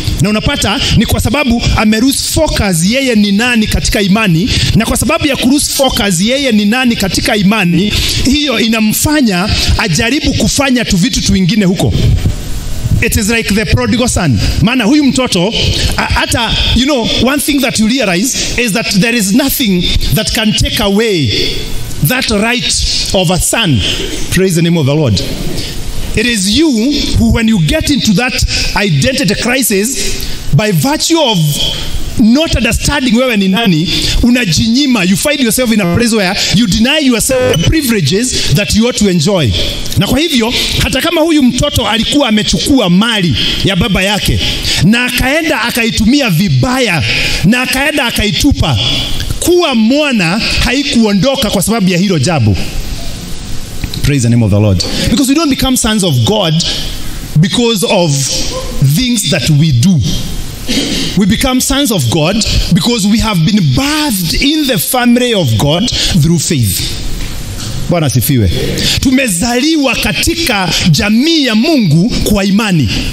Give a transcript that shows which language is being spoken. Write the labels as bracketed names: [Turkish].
[Swahili] Na unapata ni kwa sababu ameruhusu focus yeye ni nani katika imani, na kwa sababu ya kuruhusu focus yeye ni nani katika imani, hiyo inamfanya ajaribu kufanya tu vitu vingine huko. [English] It is like the prodigal son. [Swahili] Mana huyu mtoto, ata, [English] you know, one thing that you realize is that there is nothing that can take away that right of a son. Praise the name of the Lord. It is you who, when you get into that identity crisis, by virtue of not understanding [Swahili] wewe ni nani, unajinyima, [English] you find yourself in a place where you deny yourself the privileges that you ought to enjoy. [Swahili] Na kwa hivyo, hata kama huyu mtoto alikuwa amechukua mali ya baba yake, na akaenda akaitumia vibaya, na akaenda akaitupa, kuwa mwana haikuondoka kwa sababu ya hilo jabu. [English] Praise the name of the Lord. Because we don't become sons of God because of things that we do. We become sons of God because we have been bathed in the family of God through faith. [Swahili] Bwana sifiwe. Tumezaliwa katika jamii ya Mungu kwa imani.